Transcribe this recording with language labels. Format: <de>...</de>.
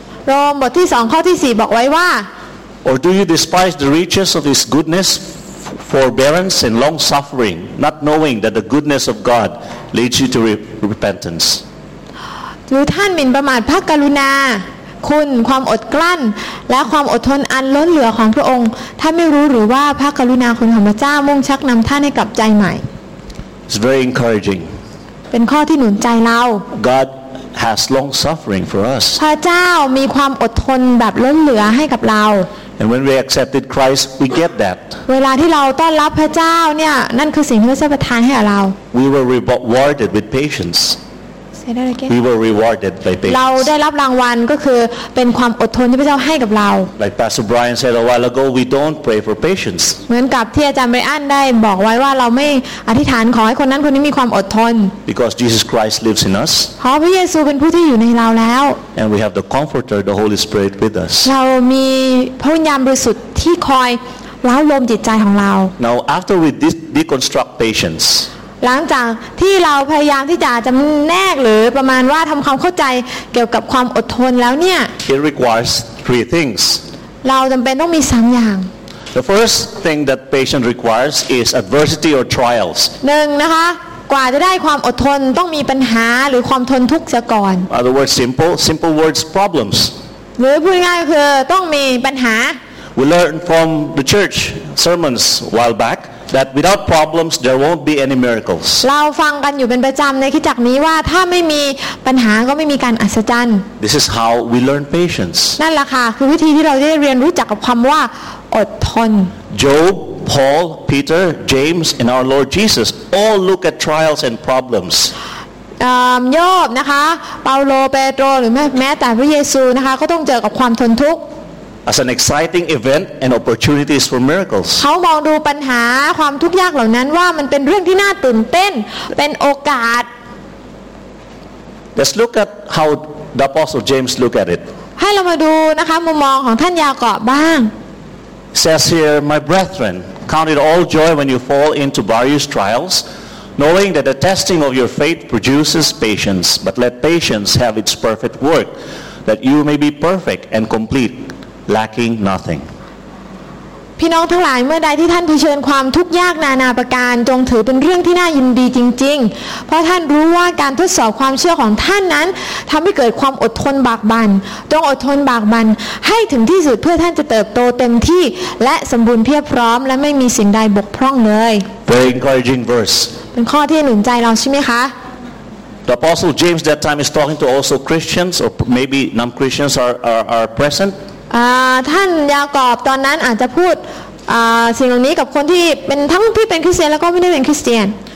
<th>Rome บทที่2ข้อที่4บอกไว้ว่า</th> <en>Or do you despise the riches of his goodness forbearance and long suffering not knowing that the goodness of God leads you to repentance</en> <th>หรือท่านหมิ่นประมาทพระกรุณาคุณความอดกลั้นและความอดทนอันล้นเหลือของพระองค์ท่านไม่รู้หรือว่าพระกรุณาคุณของพระเจ้ามุ่งชักนำท่านให้กลับใจใหม่</th> <en>It's very encouraging</en> <th>เป็นข้อที่หนุนใจเรา</th> <en>GodHas long suffering for us.</en> <th>พระเจ้ามีความอดทนแบบล้นเหลือให้กับเรา</th> <en>And when we accepted Christ, we get that.</en> <th>เวลาที่เราต้อนรับพระเจ้าเนี่ยนั่นคือสิ่งที่พระเจ้าประทานให้กับเรา</th> <en>We were rewarded with patience. Say that again. We were rewarded by patience.</en> <th>เราได้รับรางวัลก็คือเป็นความอดทนที่พระเจ้าให้กับเรา</th> <en>Like Pastor Brian said a while ago, we don't pray for patience.</en> <th>เหมือนกับที่อาจารย์ไบรอันได้บอกไว้ว่าเราไม่อธิษฐานขอให้คนนั้นคนนี้มีความอดทน</th> <en>Because Jesus Christ lives in us.</en> <th>เพราะพระเยซูเป็นผู้ที่อยู่ในเราแล้ว</th> <en>And we have the Comforter, the Holy Spirit with us.</en> <th>เรามีพระวิญญาณบริสุทธิ์ที่คอยเล้าลมจิตใจของเรา</th> <en>Now after we deconstruct patience.</en> <th>หลังจากที่เราพยายามที่จะจําแนกหรือประมาณว่าทําความเข้าใจเกี่ยวกับความอดทนแล้วเนี่ย</th> <en>It requires three things</en> <th>เราจําเป็นต้องมี3อย่าง</th> <en>The first thing that patience requires is adversity or trials</en> <th>1 นะคะกว่าจะได้ความอดทนต้องมีปัญหาหรือความทนทุกข์เสียก่อน</th> <en>Other words simple words problems</en> <th>หรือพูดง่ายๆคือต้องมีปัญหา</th> <en>We learned from the church sermons while backThat without problems there won't be any miracles.</en> <th>เราฟังกันอยู่เป็นประจำในคิดจักนี้ว่าถ้าไม่มีปัญหาก็ไม่มีการอัศจรรย์</th> <en>This is how we learn patience.</en> <th>นั่นแหละค่ะคือวิธีที่เราได้เรียนรู้จักกับคำว่าอดทน</th> <en>Job, Paul, Peter, James, and our Lord Jesus all look at trials and problems.</en> <th>โยบนะคะเปาโลเปโตรหรือแม้แต่พระเยซูนะคะก็ต้องเจอกับความทนทุกข์</th> <en>As an exciting event and opportunities for miracles.</en> <th>เขามองดูปัญหาความทุกข์ยากเหล่านั้นว่ามันเป็นเรื่องที่น่าตื่นเต้นเป็นโอกาส</th> <en>Let's look at how the Apostle James look at it.</en> <th>ให้เรามาดูนะคะมุมมองของท่านยากอบบ้าง</th> <en>Says here, my brethren, count it all joy when you fall into various trials, knowing that the testing of your faith produces patience. But let patience have its perfect work, that you may be perfect and complete. Lacking nothing.</en> <th>พี่น้องทั้งหลายเมื่อใดที่ท่านเผชิญความทุกข์ยากนานาประการจงถือเป็นเรื่องที่น่ายินดีจริงๆเพราะท่านรู้ว่าการทดสอบความเชื่อของท่านนั้นทำให้เกิดความอดทนบากบั่นจงอดทนบากบั่นให้ถึงที่สุดเพื่อท่านจะเติบโตเต็มที่และสมบูรณ์เพียบพร้อมและไม่มีสิ่งใดบกพร่องเลย</th> <en>Very encouraging verse.</en> <th>เป็นข้อที่หนุนใจเราใช่ไหมคะ</th> <en>The Apostle James that time is talking to also Christians or maybe non-Christians are present.</en> <th>ท่านยากอบตอนนั้นอาจจะพูดสิ่งเหล่านี้กับคนที่เป็นทั้งที่เป็นคริสเตียนแล้วก็ไม่ได้เป็นคริสเตียน</th>